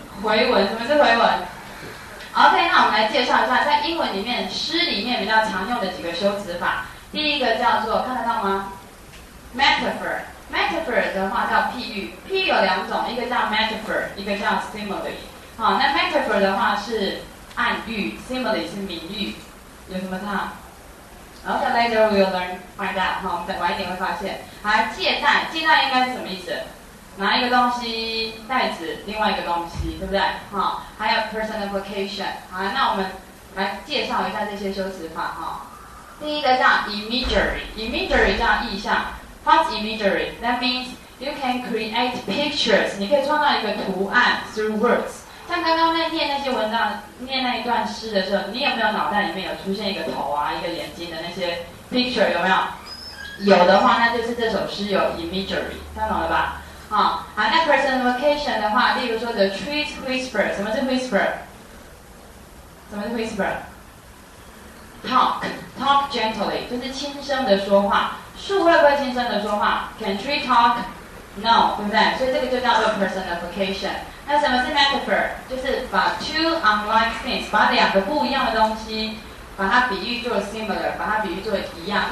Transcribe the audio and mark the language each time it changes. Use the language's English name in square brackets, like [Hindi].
[Chinese] 回文，什么是回文 ？OK, 那我们来介绍一下，在英文里面诗里面比较常用的几个修辞法。第一个叫做看得到吗 ？Metaphor。 Metaphor 的话叫譬喻，譬喻有两种，一个叫 metaphor, 一个叫 simile。好，那 metaphor 的话是暗喻 ，simile 是明喻，有什么差 ？ [English] Okay, later we'll learn find that。 [Chinese] 好，我们再晚一点会发现。好，借贷，借贷应该是什么意思？拿一个东西代指另外一个东西，对不对？好，还有 personification。好，那我们来介绍一下这些修辞法哈。第一个叫 imagery 叫意象。 [English] What's imagery? That means you can create pictures. [Chinese] 你可以创造一个图案 [English] through words. [Chinese] 像刚刚在念那些文章、念那一段诗的时候，你有没有脑袋里面有出现一个头啊、一个眼睛的那些 picture? 有没有？有的话，那就是这首诗有 imagery. 听懂了吧？好，那 personification 的话，例如说 [English] the trees whisper. [Chinese] 什么是 whisper? 什么是 whisper? [English] Talk gently, [Chinese] 就是轻声的说话。树会不会轻声的说话 ？ [English] Can tree talk? No, [Chinese] 对不对？所以这个就叫做 personification。那什么是 metaphor? 就是把 [English] two unlike things, [Chinese] 把两个不一样的东西，把它比喻做 similar, 把它比喻做一样。